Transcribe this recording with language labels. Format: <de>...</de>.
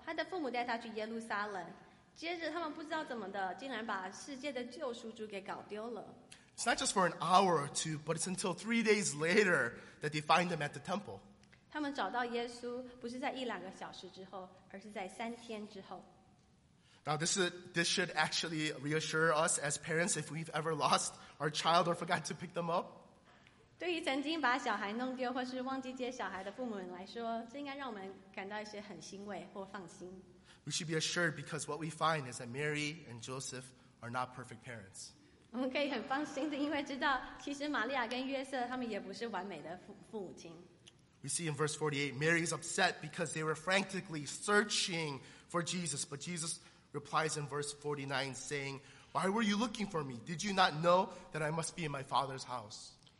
<zh>之后在路加福音2章41节，我们又再次看到，当耶稣12岁的时候，他的父母带他去耶路撒冷。接着他们不知道怎么的，竟然把世界的救赎主给搞丢了。</zh> <en>It's not just for an hour or two, but it's until 3 days later that they find him at the temple.</en> <zh>他们找到耶稣不是在一两个小时之后，而是在3天之后。</zh> <en>Now this should actually reassure us as parents if we've ever lost our child or forgot to pick them up.</en> <zh>对于曾经把小孩弄丢或是忘记接小孩的父母们来说，这应该让我们感到一些很欣慰或放心。</zh> <en>We should be assured because what we find is that Mary and Joseph are not perfect parents.</en> <zh>我们可以很放心的，因为知道其实玛利亚跟约瑟他们也不是完美的父母亲。</zh> <en>We see in verse 48, Mary is upset because they were frantically searching for Jesus. But Jesus replies in verse 49 saying, Why were you looking for me? Did you not know that I must be in my Father's house?</en>